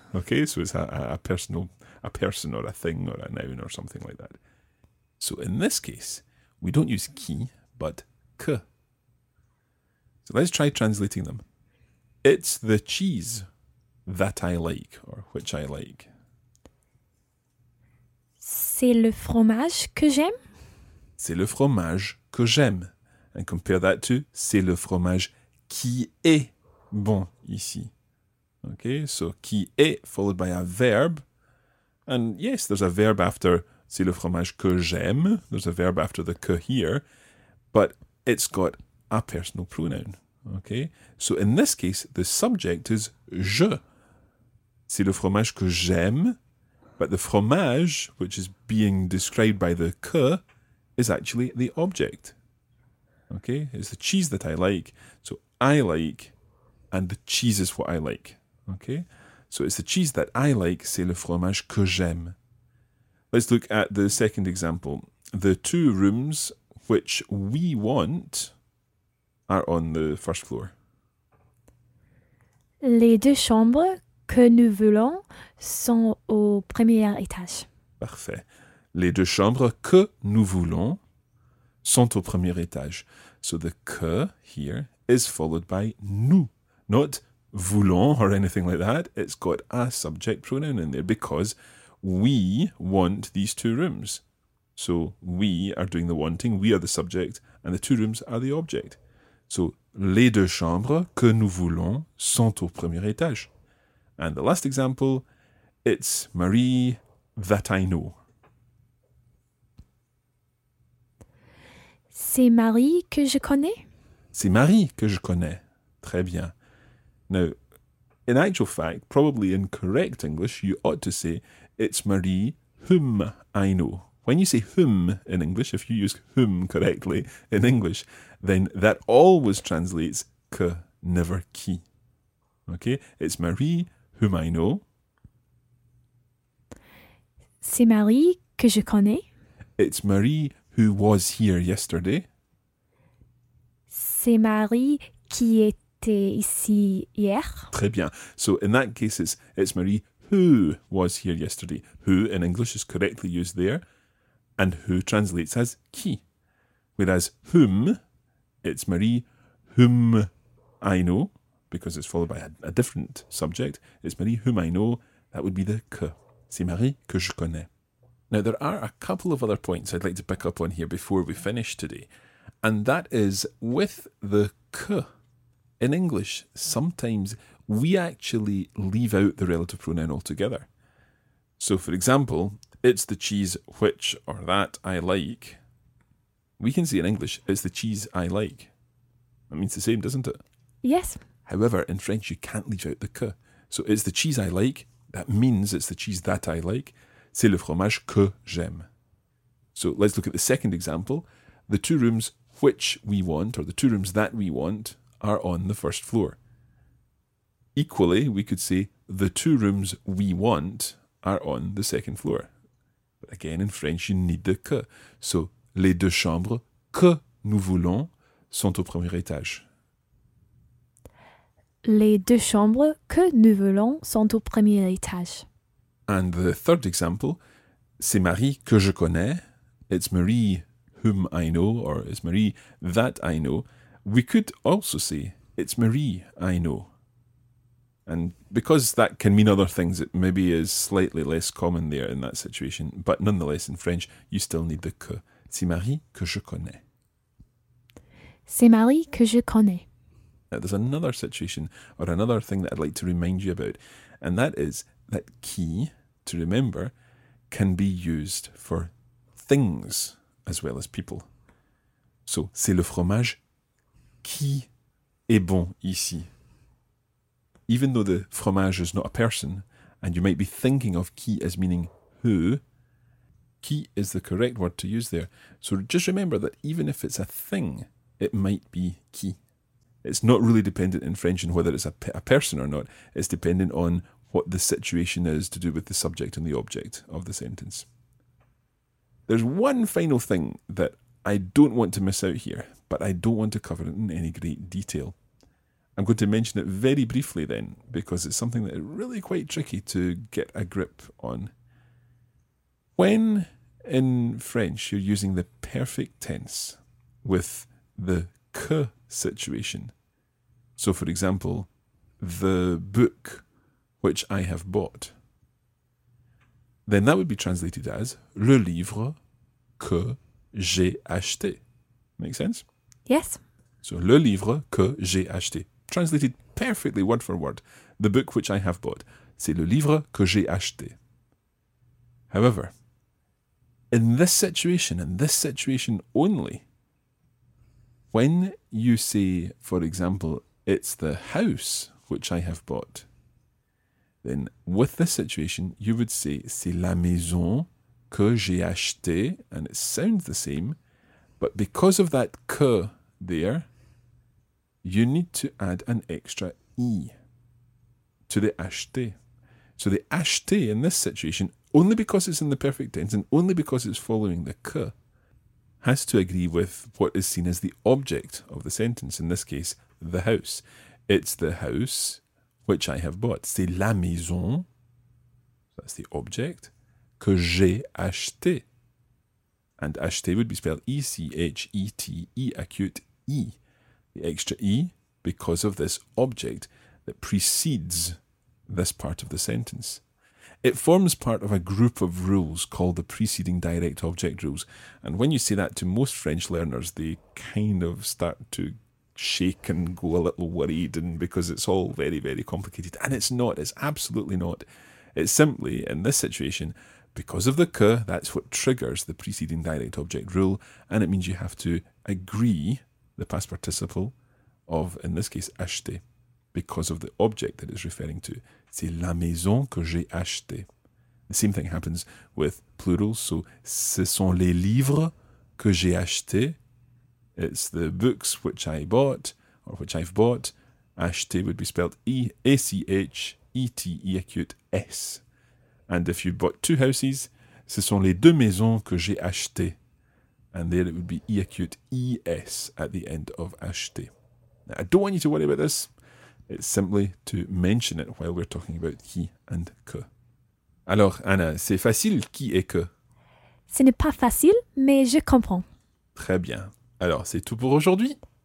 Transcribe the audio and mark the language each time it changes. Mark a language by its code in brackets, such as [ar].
[en] Okay, so it's a person or a thing or a noun or something like that. So in this case, we don't use qui, but que. So let's try translating them. It's the cheese that I like, or which I like. [fr] C'est le fromage que j'aime. C'est le fromage que j'aime. [en] And compare that to [fr] c'est le fromage qui est bon ici. [en] Okay, so qui est followed by a verb. And yes, there's a verb after [fr] C'est le fromage que j'aime. [en] There's a verb after the que here, but it's got a personal pronoun. Okay? So in this case, the subject is je. [fr] C'est le fromage que j'aime. [en] But the fromage, which is being described by the que, is actually the object. Okay? It's the cheese that I like. So I like, and the cheese is what I like. Okay? So it's the cheese that I like, [fr] c'est le fromage que j'aime. [en] Let's look at the second example. The two rooms which we want are on the first floor. [fr] Les deux chambres que nous voulons sont au premier étage. Parfait. Les deux chambres que nous voulons sont au premier étage. [en] So the que here is followed by nous, not voulons or anything like that. It's got a subject pronoun in there because we want these two rooms. So we are doing the wanting, we are the subject, and the two rooms are the object. [fr] So les deux chambres que nous voulons sont au premier étage. [en] And the last example, it's Marie that I know. [fr] C'est Marie que je connais. C'est Marie que je connais. Très bien. [en] Now, in actual fact, probably in correct English, you ought to say, it's Marie whom I know. When you say whom in English, if you use whom correctly in English, then that always translates que, never qui. Okay? It's Marie whom I know. [fr] C'est Marie que je connais. [en] It's Marie who was here yesterday. [fr] C'est Marie qui était ici hier. Très bien. [en] So in that case, it's Marie who was here yesterday. Who in English is correctly used there. And who translates as qui. Whereas whom, it's Marie whom I know, because it's followed by a different subject. It's Marie whom I know. That would be the que. [fr] C'est Marie que je connais. [en] Now, there are a couple of other points I'd like to pick up on here before we finish today. And that is, with the que in English, sometimes we actually leave out the relative pronoun altogether. So, for example, it's the cheese which or that I like. We can say in English, it's the cheese I like. That means the same, doesn't it? Yes. However, in French, you can't leave out the que. So, it's the cheese I like. That means it's the cheese that I like. [fr] C'est le fromage que j'aime. [en] So, let's look at the second example. The two rooms which we want, or the two rooms that we want, are on the first floor. Equally, we could say, the two rooms we want are on the second floor. But again, in French, you need the que. [fr] So, les deux chambres que nous voulons sont au premier étage. Les deux chambres que nous voulons sont au premier étage. [en] And the third example, [fr] c'est Marie que je connais. [en] It's Marie whom I know, or it's Marie that I know. We could also say, it's Marie I know. And because that can mean other things, it maybe is slightly less common there in that situation. But nonetheless, in French, you still need the que. [fr] C'est Marie que je connais. C'est Marie que je connais. [en] Now, there's another situation or another thing that I'd like to remind you about, and that is that qui, to remember, can be used for things as well as people. [fr] So, c'est le fromage qui est bon ici. [en] Even though the fromage is not a person, and you might be thinking of qui as meaning who, qui is the correct word to use there. So just remember that even if it's a thing, it might be qui. It's not really dependent in French on whether it's a person or not. It's dependent on what the situation is to do with the subject and the object of the sentence. There's one final thing that I don't want to miss out here, but I don't want to cover it in any great detail. I'm going to mention it very briefly then, because it's something that is really quite tricky to get a grip on. When in French you're using the perfect tense with the que situation. So for example, the book which I have bought. Then that would be translated as [fr] le livre que j'ai acheté. [en] Make sense? Yes. [fr] So le livre que j'ai acheté. [en] Translated perfectly word for word. The book which I have bought. [fr] C'est le livre que j'ai acheté. [en] However, in this situation, in this situation only, when you say, for example, it's the house which I have bought, then with this situation, you would say, [fr] c'est la maison que j'ai acheté, [en] and it sounds the same, but because of that que there, you need to add an extra e to the acheté. So the acheté in this situation, only because it's in the perfect tense and only because it's following the que, has to agree with what is seen as the object of the sentence, in this case, the house. It's the house which I have bought. [fr] C'est la maison, [en] that's the object, [fr] que j'ai acheté. [en] And acheté would be spelled E-C-H-E-T-E, acute E. The extra E, because of this object that precedes this part of the sentence. It forms part of a group of rules called the preceding direct object rules. And when you say that to most French learners, they kind of start to shake and go a little worried, and because it's all very, very complicated. And it's not. It's absolutely not. It's simply, in this situation, because of the que, that's what triggers the preceding direct object rule. And it means you have to agree, the past participle of, in this case, acheter, because of the object that it's referring to. [fr] C'est la maison que j'ai acheté. [en] The same thing happens with plurals. [fr] So, ce sont les livres que j'ai acheté. [en] It's the books which I bought, or which I've bought. Acheté would be spelled E-A-C-H-E-T-E acute S. And if you bought two houses, [fr] ce sont les deux maisons que j'ai acheté. [en] And there it would be E acute E-S at the end of acheté. Now, I don't want you to worry about this. It's simply to mention it while we're talking about qui and que. [fr] Alors, Anna, c'est facile, qui et que? Ce n'est pas facile, mais je comprends. Très bien. Alors, c'est tout pour aujourd'hui.